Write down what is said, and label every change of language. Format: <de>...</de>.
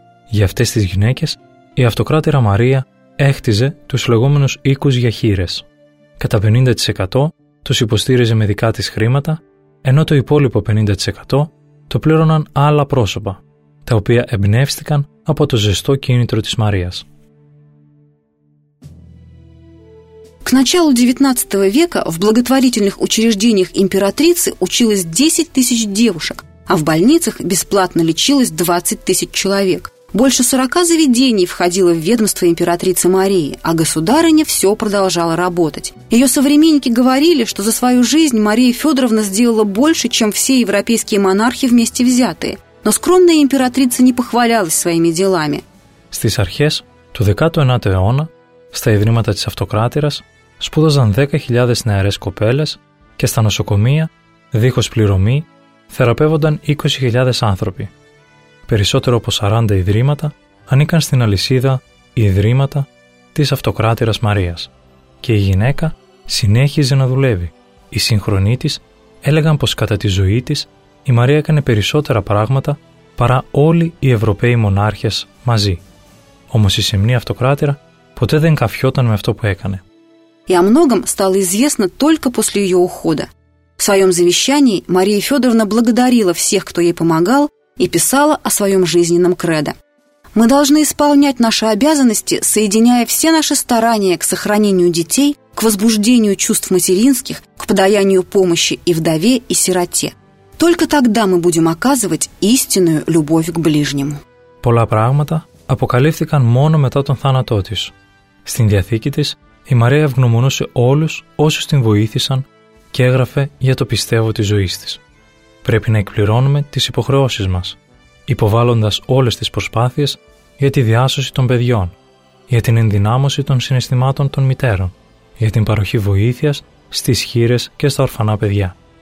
<el>Για αυτές τις γυναίκες, η Αυτοκράτηρα Μαρία έχτιζε τους λεγόμενους οίκους για χείρες. Κατά 50% τους υποστήριζε με δικά της χρήματα, ενώ το υπόλοιπο 50% το πλήρωναν άλλα πρόσωπα, τα οποία εμπνεύστηκαν από το ζεστό κίνητρο της Μαρίας.</el> <ru>К началу XIX века в благотворительных учреждениях императрицы училось 10 тысяч девушек, а в больницах бесплатно лечилось 20 тысяч человек. Больше 40 заведений входило в ведомство императрицы Марии, а государыня все продолжала работать. Ее современники говорили, что за свою жизнь Мария Федоровна сделала больше, чем все европейские монархи вместе взятые. Но скромная императрица не похвалялась своими делами.</ru> <el>Στις αρχές του 19ου αιώνα, στα ιδρύματα της Αυτοκράτηρας σπούδαζαν 10.000 νεαρές κοπέλες και στα νοσοκομεία, δίχως πληρωμή, θεραπεύονταν 20.000 άνθρωποι. Περισσότερο από 40 ιδρύματα ανήκαν στην αλυσίδα «Ιδρύματα της Αυτοκράτηρας Μαρίας» και η γυναίκα συνέχιζε να δουλεύει. Οι συγχρονοί της έλεγαν πως κατά τη ζωή της η Μαρία έκανε περισσότερα πράγματα παρά όλοι οι Ευρωπαίοι μονάρχες μαζί. Όμως η σεμνή Αυτοκράτηρα ποτέ δεν καφιόταν με αυτό που έκανε.</el> <ru>И о многом стало известно только после ее ухода. В своем завещании Мария Федоровна благодарила всех, кто ей помогал, и писала о своем жизненном кредо. «Мы должны исполнять наши обязанности, соединяя все наши старания к сохранению детей, к возбуждению чувств материнских, к подаянию помощи и вдове, и сироте. Только тогда мы будем оказывать истинную любовь к ближнему».</ru> <el>Полла прагмата апокалифтикан моно мета тон θάνατό της. Στην διαθήκη της, η Μαρία ευγνωμονούσε όλους όσους την βοήθησαν και έγραφε για το πιστεύω της ζωής της. Πρέπει να εκπληρώνουμε τις υποχρεώσεις μας, υποβάλλοντας όλες τις προσπάθειες για τη διάσωση των παιδιών, για την ενδυνάμωση των συναισθημάτων των μητέρων, για την παροχή βοήθειας στις χείρες και στα ορφανά παιδιά.</el>